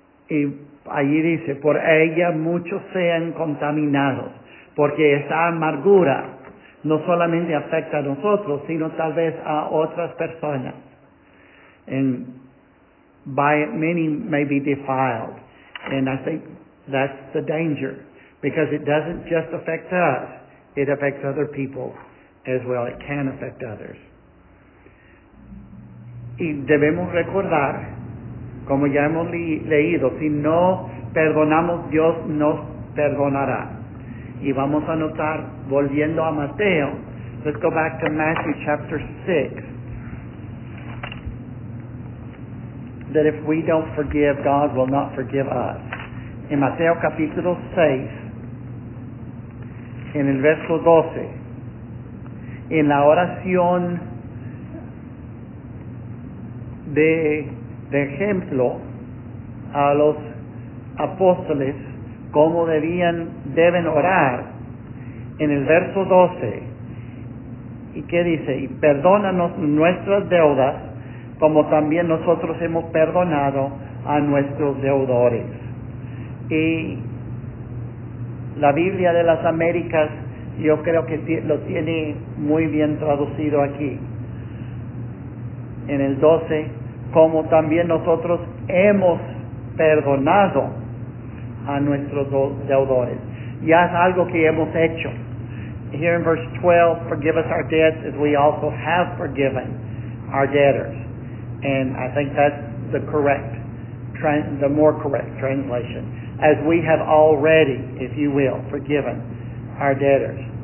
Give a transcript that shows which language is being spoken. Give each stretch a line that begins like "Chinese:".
Spanish: Y allí dice, por ella muchos sean contaminados, porque esa amargura no solamente afecta a nosotros, sino tal vez a otras personas.
English: And by many may be defiled. And I think that's the danger, because it doesn't just affect us. It affects other people as well. It can affect others.
Spanish: Y debemos recordar, como ya hemos leído, si no perdonamos, Dios nos perdonará. Y vamos a notar, volviendo a Mateo,
English: let's go back to Matthew chapter 6, that if we don't forgive, God will not forgive us.
Spanish: En Mateo capítulo 6, en el verso 12, en la oración de ejemplo a los apóstoles, cómo deben orar, en el verso 12, ¿y qué dice? Y perdónanos nuestras deudas, como también nosotros hemos perdonado a nuestros deudores. Y la Biblia de las Américas, yo creo que lo tiene muy bien traducido aquí. En el 12, como también nosotros hemos perdonado a nuestros deudores. Ya es algo que hemos hecho.
English: Here in verse 12, forgive us our debts as we also have forgiven our debtors. And I think that's the correct, the more correct translation. As we have already, if you will, forgiven our debtors.